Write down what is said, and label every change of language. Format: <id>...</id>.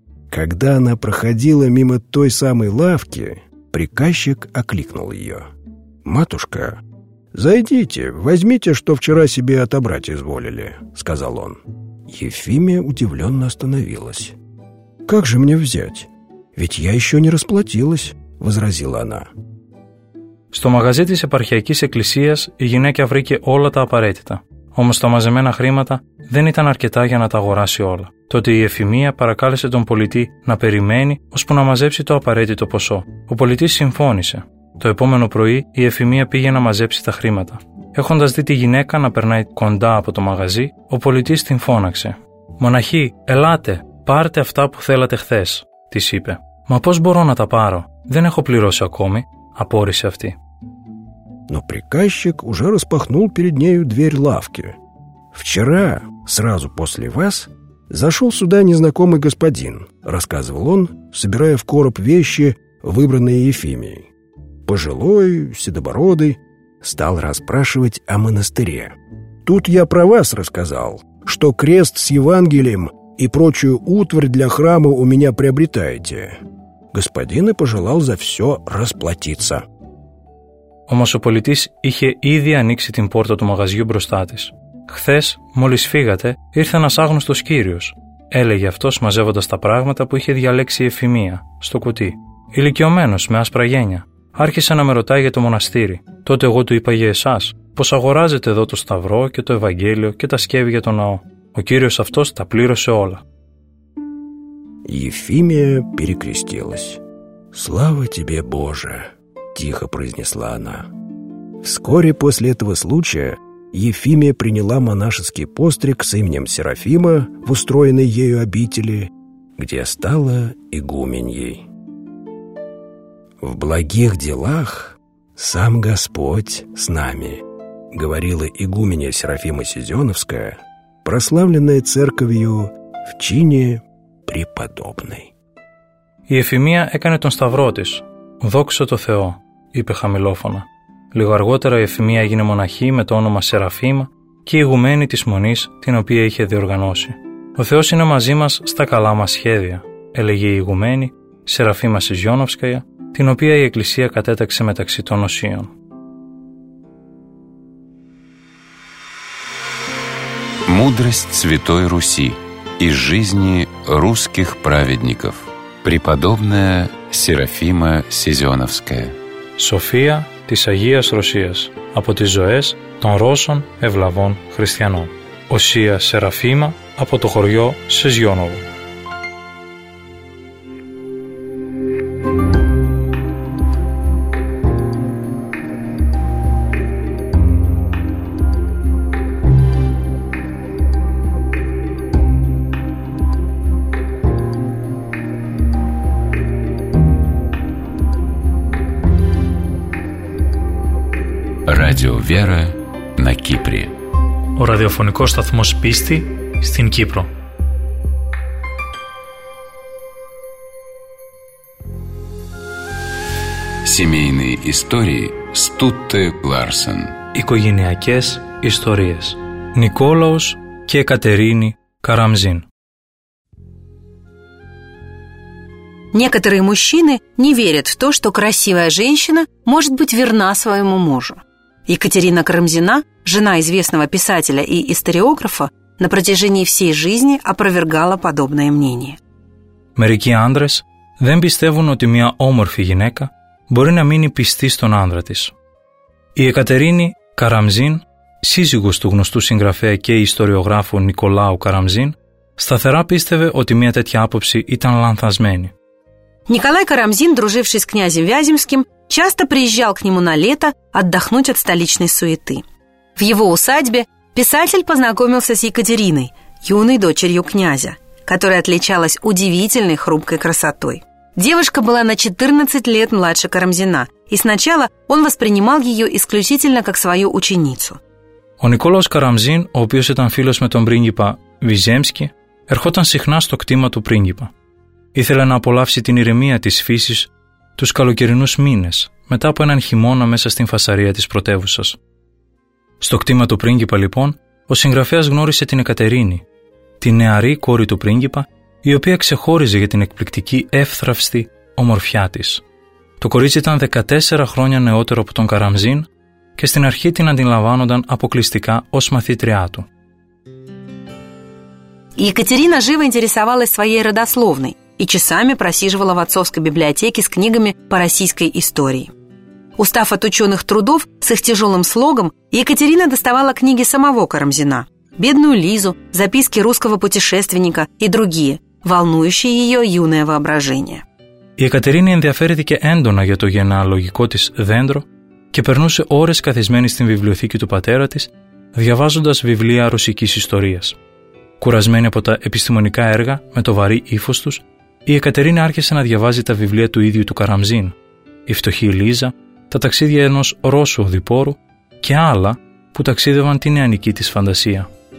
<ru>Когда она проходила мимо той самой лавки, приказчик окликнул ее. «Матушка, зайдите, возьмите, что вчера себе отобрать изволили», — сказал он. Ефимия удивленно остановилась. «Как же мне взять? Ведь я еще не расплатилась», — возразила она.</ru> <el>Στο μαγαζί της επαρχιακής εκκλησίας η γυναίκα βρήκε όλα τα απαραίτητα. Όμως τα μαζεμένα χρήματα δεν ήταν αρκετά για να τα αγοράσει όλα. Τότε η Ευφημία παρακάλεσε τον πολιτή να περιμένει ώσπου να μαζέψει το απαραίτητο ποσό. Ο πολιτής συμφώνησε. Το επόμενο πρωί η Ευφημία πήγε να μαζέψει τα χρήματα. Έχοντας δει τη γυναίκα να περνάει κοντά από το μαγαζί, ο πολιτής την φώναξε. «Μοναχή, ελάτε, πάρτε αυτά που θέλατε χθες», της είπε. «Μα πώς μπορώ να τα πάρω? Δεν έχω πληρώσει ακόμη», απόρρισε αυτή.</el> <ru>Но приказчик уже распахнул перед нею дверь лавки. «Вчера, сразу после вас, зашел сюда незнакомый господин», — рассказывал он, собирая в короб вещи, выбранные Ефимией. Пожилой, седобородый, стал расспрашивать о монастыре. «Тут я про вас рассказал, что крест с Евангелием и прочую утварь для храма у меня приобретаете». Господин и пожелал за все расплатиться.</ru> <el>Όμως ο πολιτής είχε ήδη ανοίξει την πόρτα του μαγαζιού μπροστά της. «Χθες, μόλις φύγατε, ήρθε ένας άγνωστος κύριος», έλεγε αυτός μαζεύοντας τα πράγματα που είχε διαλέξει η Ευφημία, στο κουτί. «Ηλικιωμένος, με άσπρα γένια. Άρχισε να με ρωτάει για το μοναστήρι. Τότε εγώ του είπα για εσάς, πως αγοράζετε εδώ το Σταυρό και το Ευαγγέλιο και τα σκεύη για τον ναό. Ο κύριος αυτός τα πλήρωσε όλα». Η Ευφημία</el> <ru>перекрестилась. «Слава тебе, Боже!» Тихо произнесла она. Вскоре после этого случая Ефимия приняла монашеский постриг с именем Серафима в устроенной ею обители, где стала игуменьей. «В благих делах сам Господь с нами», говорила игуменья Серафима Сезеновская, прославленная церковью в чине преподобной.</ru> <el>Η Ευφημία έκανε τον σταυρό της. «Δόξα τω Θεώ», είπε χαμηλόφωνα. Λίγο αργότερα η Ευφημία έγινε μοναχή με το όνομα Σεραφίμα και η ηγουμένη της μονής την οποία είχε διοργανώσει. «Ο Θεός είναι μαζί μας στα καλά μας σχέδια», έλεγε η ηγουμένη Σεραφίμα Σιζιόνοφσκαια, την οποία η Εκκλησία κατέταξε μεταξύ των οσίων.</el> <ru>Мудрость Святой Руси из жизни русских праведников. Преподобная Серафима Сезеновская.</ru> <el>Σοφία της Αγίας Ρωσίας από τις ζωές των Ρώσων Ευλαβών Χριστιανών. Οσία Σεραφίμα από το χωριό Σεζιόνοβο. Βέρα, να Κύπρη. Ο ραδιοφωνικός σταθμός πίστη στην Κύπρο.</el> <ru>Семейные истории Стутте Ларсен.</ru> <el>Οικογενειακές ιστορίες. Νικόλαος και Κατερίνη Καραμζίν.</el> <ru>Некоторые мужчины не верят в то, что красивая женщина может быть верна своему мужу. Екатерина Карамзина, жена известного писателя и историографа, на протяжении всей жизни опровергала подобное мнение.</ru> <el>Мерикий андрес δεν πιστεύουν ότι μια όμορφη γυναίκα μπορεί να μείνει πιστή στον άντρα της. Η Εκατερίνη Καραμζίν, σύζυγος του γνωστού συγγραφέα και ιστοριογράφου Νικολάου Καραμζίν, σταθερά πίστευε ότι μια τέτοια άποψη ήταν λανθασμένη.</el> <ru>Николай Карамзин, друживший с князем Вяземским, часто приезжал к нему на лето отдохнуть от столичной суеты. В его усадьбе писатель познакомился с Екатериной, юной дочерью князя, которая отличалась удивительной хрупкой красотой. Девушка была на 14 лет младше Карамзина и сначала он воспринимал ее исключительно как свою ученицу.</ru> <el>Ο Νικόλαος Καραμζίν, ο οποίος ήταν φίλος με τον πρίγκιπα Βιζέμσκι, ερχόταν συχνά στο κτήμα του πρίγκιπα. Ήθελε να απολαύσει την ηρεμία της φύσης τους καλοκαιρινούς μήνες, μετά από έναν χειμώνα μέσα στην φασαρία της πρωτεύουσας. Στο κτήμα του πρίγκιπα, λοιπόν, ο συγγραφέας γνώρισε την Εκατερίνη, τη νεαρή κόρη του πρίγκιπα, η οποία ξεχώριζε για την εκπληκτική εύθραυστη ομορφιά της. Το κορίτσι ήταν 14 χρόνια νεότερο από τον Καραμζίν και στην αρχή την αντιλαμβάνονταν αποκλειστικά ως μαθήτριά του.</el> <ru>Η Екатерина живо интересовалась своей родословной и часами просиживала в отцовской библиотеке с книгами по российской истории. Устав от ученых трудов с их тяжелым слогом, Екатерина доставала книги самого Карамзина, «Бедную Лизу», «Записки русского путешественника» и другие, волнующие ее юное воображение.</ru> <el>Η Екатерина ενδιαφέρθηκε έντονα για το γενεαλογικό της δέντρο και περνούσε ώρες καθισμένη στην βιβλιοθήκη του πατέρα της, διαβάζοντας βιβλία ρωσικής ιστορίας. Κουρασμένη από τα επιστημονικά έργα με το βαρύ ύφος τους, η Εκατερίνη άρχισε να διαβάζει τα βιβλία του ίδιου του Καραμζίν, «Η φτωχή Λίζα», «Τα ταξίδια ενός Ρώσου οδηπόρου» και άλλα που ταξίδευαν την νεανική της φαντασία.</el>